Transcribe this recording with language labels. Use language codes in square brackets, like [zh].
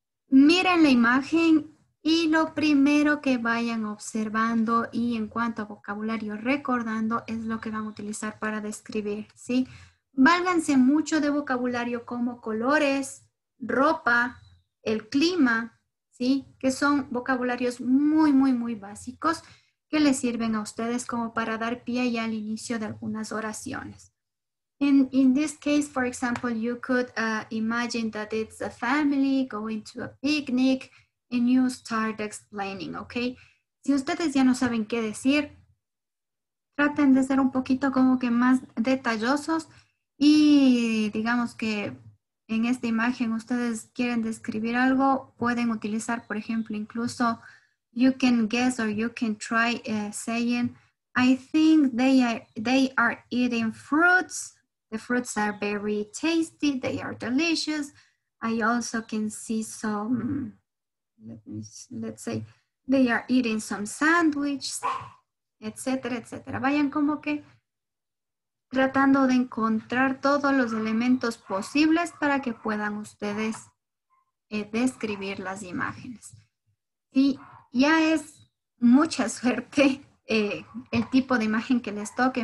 [es] Miren la imagen. Y lo primero que vayan observando y en cuanto a vocabulario recordando es lo que van a utilizar para describir, ¿sí? Válganse mucho de vocabulario como colores, ropa, el clima, ¿sí? Que son vocabularios muy, muy, muy básicos que les sirven a ustedes como para dar pie ya al inicio de algunas oraciones. [en] In this case, for example, you could imagine that it's a family going to a picnic. And you start explaining, okay? [es] Si ustedes ya no saben qué decir, traten de ser un poquito como que más detallosos y digamos que en esta imagen ustedes quieren describir algo, pueden utilizar, por ejemplo, incluso [en] you can guess or you can try saying, I think they are eating fruits. The fruits are very tasty. They are delicious. I also can see some... Let's say they are eating some sandwiches, etcétera, etcétera. [es] Vayan como que tratando de encontrar todos los elementos posibles para que puedan ustedes describir las imágenes. Y ya es mucha suerte el tipo de imagen que les toque.